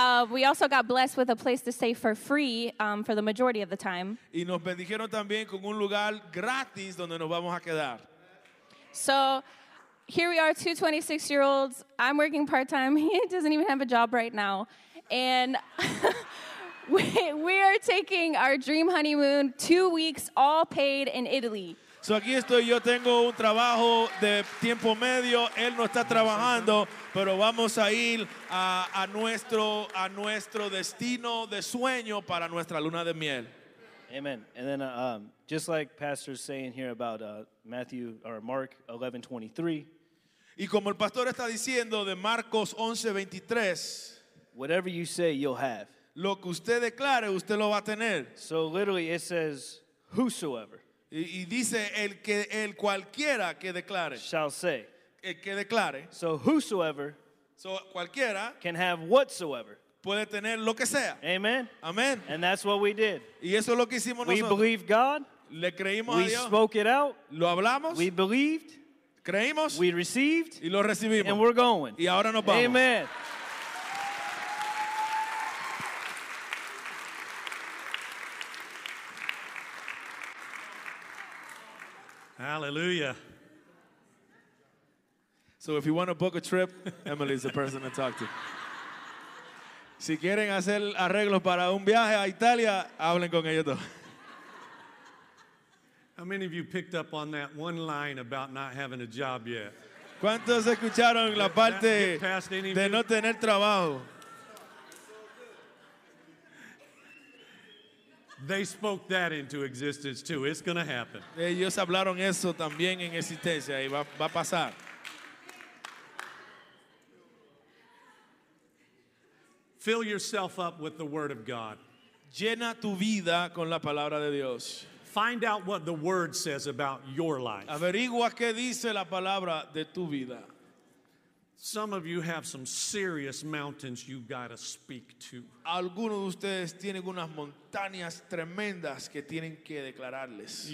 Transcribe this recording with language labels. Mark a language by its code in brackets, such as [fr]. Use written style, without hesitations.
[en] We also got blessed with a place to stay for free for the majority of the time. [es] Y nos bendijeron también con un lugar gratis donde nos vamos a quedar. [en] So here we are, two 26-year-olds. I'm working part-time. He doesn't even have a job right now. And we are taking our dream honeymoon, 2 weeks, all paid in Italy. [es] So aquí estoy, yo tengo un trabajo de tiempo medio, él no está trabajando, pero vamos a ir a nuestro destino de sueño para nuestra luna de miel. [en] Amen. And then just like Pastor's saying here about Matthew or Mark 11:23. [es] Y como el pastor está diciendo de Marcos 11:23, [en] whatever you say you'll have. [es] Lo que usted declare, usted lo va a tener. [en] So literally it says whosoever. [es] Y dice el cualquiera que declare. [en] Shall say. [es] El que declare. [en] So whosoever. [es] So cualquiera. [en] Can have whatsoever. [es] Puede tener lo que sea. [en] Amen. [es] Amen. [en] And that's what we did. [es] Y eso es lo que hicimos nosotros. [en] We believed God. [es] Le creímos a Dios. [en] We spoke it out. [es] Lo hablamos. [en] We believed. [es] Creímos. [en] We received. [es] Y lo recibimos. [en] And we're going. [es] Y ahora nos vamos. [en] Amen. Hallelujah. So if you want to book a trip, Emily's the person to talk to. [es] Si quieren hacer arreglos para un viaje a Italia, hablen con ellos dos. [en] How many of you picked up on that one line about not having a job yet? [es] ¿Cuántos escucharon la parte de no tener trabajo? [en] They spoke that into existence too. It's going to happen. [es] Ellos hablaron eso también en existencia y va a pasar. [en] Fill yourself up with the word of God. [es] Llena tu vida con la palabra de Dios. [en] Find out what the word says about your life. [es] Averigua qué dice la palabra de tu vida. [en] Some of you have some serious mountains you got to speak to. [es] Algunos de ustedes tienen unas montañas tremendas que tienen que declararles.